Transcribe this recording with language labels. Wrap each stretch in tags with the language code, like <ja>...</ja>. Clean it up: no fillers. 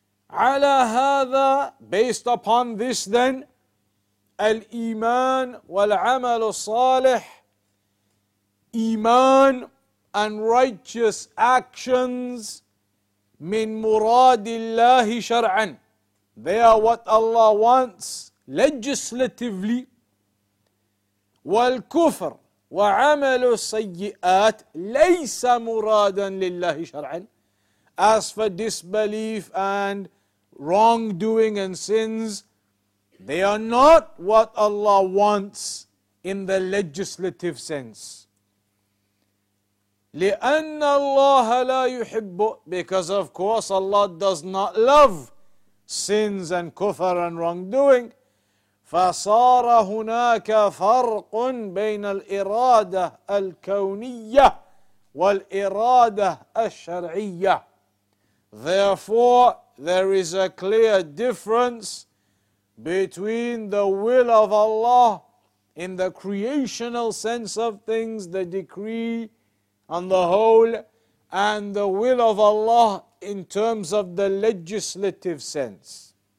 <ar>على هذا,</ar> <en>based upon this then,</en> <ar>الإيمان والعمل الصالح, إيمان</ar> <en>and righteous actions,</en> <ar>من مراد الله شرعا.</ar> <en>They are what Allah wants legislatively.</en> <ar>والكفر وعمل السيئات ليس مرادا لله شرعا.</ar> <en>As for disbelief and wrongdoing and sins, they are not what Allah wants in the legislative sense.</en> <ar>لأن الله لا يحب,</ar> <en>because of course Allah does not love sins and kufr and wrongdoing.</en> <ar>فصار هناك فرق بين الإرادة الكونية والإرادة الشرعية.</ar> <en>Therefore, there is a clear difference between the will of Allah in the creational sense of things, the decree on the whole, and the will of Allah in terms of the legislative sense.</en>